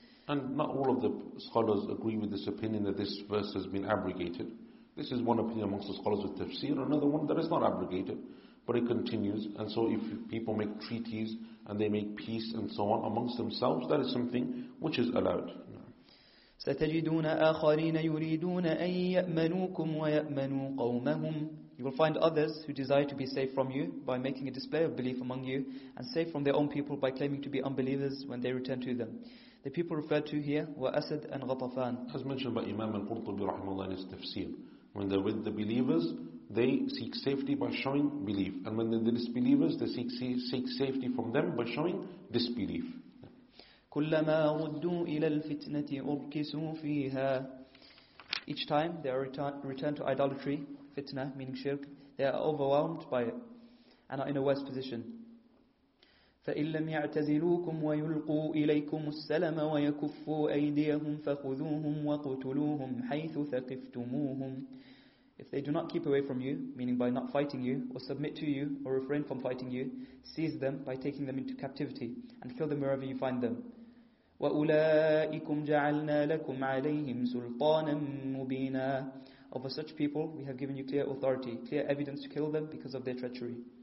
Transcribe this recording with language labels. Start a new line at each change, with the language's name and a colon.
English: And not all of the scholars agree with this opinion that this verse has been abrogated. This is one opinion amongst the scholars of tafsir, another one that is not abrogated. But it continues. And so if people make treaties and they make peace and so on amongst themselves, that is something which is allowed.
Arabic: ستجدون آخرين يريدون أن يأمنوكم ويأمنوا قومهم.
English: You will find others who desire to be safe from you by making a display of belief among you, and safe from their own people by claiming to be unbelievers when they return to them. The people referred to here were Asad and Ghatafan. As mentioned by Imam al-Qurtubi rahimahullah in his tafsir, when they're with the believers, they seek safety by showing belief. And when they're the disbelievers, they seek safety from them by showing disbelief.
Arabic: كلما ردوا إلى الفتنة أركسوا فيها.
English: Each time they are returned to idolatry, fitna meaning shirk, they are overwhelmed by it and are in a worse position.
Arabic: فإن لم يعتزلوكم ويلقوا إليكم السلم ويكفوا أيديهم فخذوهم وقتلوهم حيث ثقفتموهم.
English: If they do not keep away from you, meaning by not fighting you, or submit to you, or refrain from fighting you, seize them by taking them into captivity, and kill them wherever you find them.
Arabic: وَأُولَٰئِكُمْ جَعَلْنَا لَكُمْ عَلَيْهِمْ سُلْطَانًا مُبِينًا.
English: Over such people, we have given you clear authority, clear evidence to kill them because of their treachery.